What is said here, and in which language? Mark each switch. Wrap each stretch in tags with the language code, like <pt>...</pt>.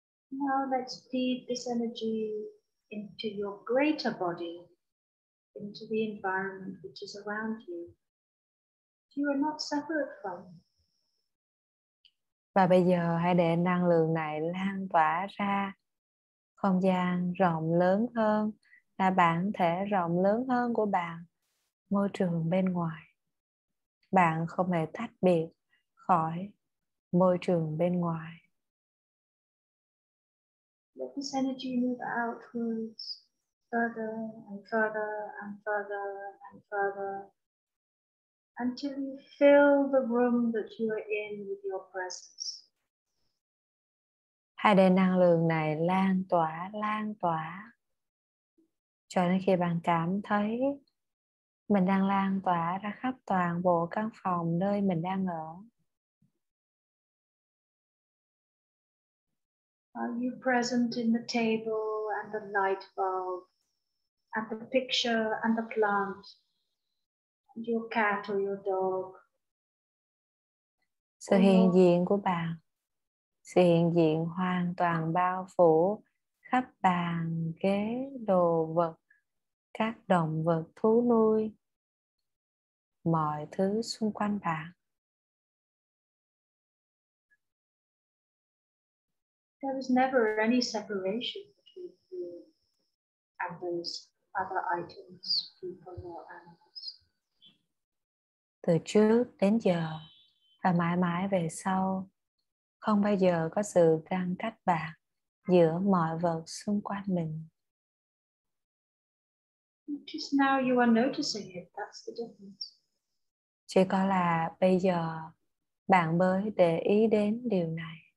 <en>Now let's feed this energy into your greater body, into the environment which is around you. You are not separate from.</en> <vi>Và bây giờ hãy để năng lượng này lan tỏa ra không gian rộng lớn hơn, là bản thể rộng lớn hơn của bạn, môi trường bên ngoài. Bạn không hề tách biệt khỏi môi trường bên ngoài.</vi> <en>Let this energy move outwards, further and further and further and further, until you fill the room that you are in with your presence.</en> <vi>Hãy để năng lượng này lan tỏa, cho đến khi bạn cảm thấy mình đang lan tỏa ra khắp toàn bộ căn phòng nơi mình đang ở.</vi> <en>Are you present in the table and the light bulb, and the picture and the plant, and your cat or your dog?</en> <vi>Sự hiện diện của bạn, sự hiện diện hoàn toàn bao phủ khắp bàn, ghế, đồ vật, các động vật, thú nuôi, mọi thứ xung quanh bạn.</vi> <en>There was never any separation between you and those other items, people or animals.</en> <vi>Từ trước đến giờ và mãi mãi về sau, không bao giờ có sự ngăn cách bạn giữa mọi vật xung quanh mình.</vi> <en>Just now you are noticing it, that's the difference.</en> <vi>Chỉ có là bây giờ bạn mới để ý đến điều này.</vi>